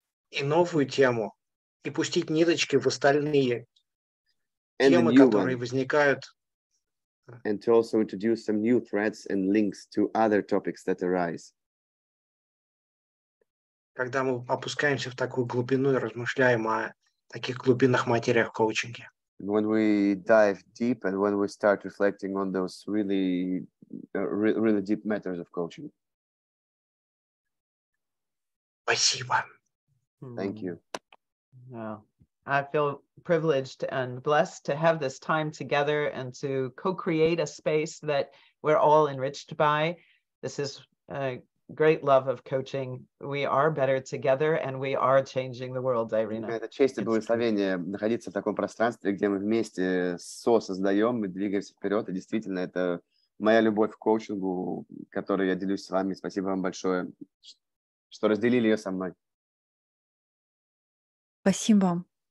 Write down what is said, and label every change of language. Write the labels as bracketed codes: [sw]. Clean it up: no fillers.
[ru] И новую тему, и пустить ниточки в остальные темы, которые возникают. [en] And to also introduce some new threads and links to other topics that arise. [ru] Когда мы опускаемся в такую глубину и размышляем о таких глубинных материях коучинга. [en] When we dive deep and when we start reflecting on those really really deep matters of coaching. [ru] Спасибо. [en] Thank you. Yeah. I feel privileged and blessed to have this time together and to co-create a space that we're all enriched by. This is a great love of coaching. We are better together and we are changing the world, Irina. [ru] Это честь и благословение находиться в таком пространстве, где мы вместе со-создаем, мы двигаемся вперед. И действительно, это моя любовь к коучингу, которой я делюсь с вами. Спасибо вам большое, что разделили ее со мной. Спасибо.